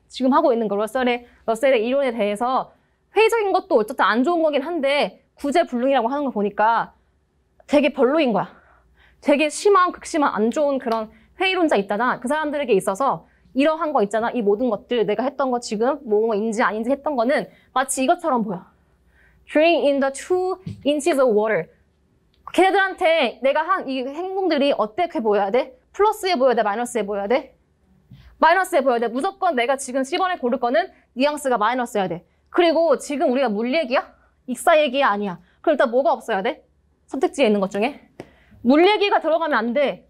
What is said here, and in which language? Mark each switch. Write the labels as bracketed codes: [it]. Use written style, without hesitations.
[ko] 지금 하고 있는 거 러셀의 이론에 대해서 회의적인 것도 어쨌든 안 좋은 거긴 한데 구제불능이라고 하는 거 보니까 되게 별로인 거야. 되게 심한 극심한 안 좋은 그런 회의론자 있잖아. 그 사람들에게 있어서 이러한 거 있잖아. 이 모든 것들 내가 했던 거 지금 뭐인지 아닌지 했던 거는 마치 이것처럼 보여. [en] Drink in the 2 inches of water. [ko] 걔네들한테 내가 한 이 행동들이 어떻게 보여야 돼? 플러스에 보여야 돼? 마이너스에 보여야 돼? 마이너스에 보여야 돼. 무조건 내가 지금 10번에 고를 거는 뉘앙스가 마이너스여야 돼. 그리고 지금 우리가 물 얘기야? 익사 얘기야? 아니야. 그럼 일단 뭐가 없어야 돼? 선택지에 있는 것 중에. 물 얘기가 들어가면 안 돼.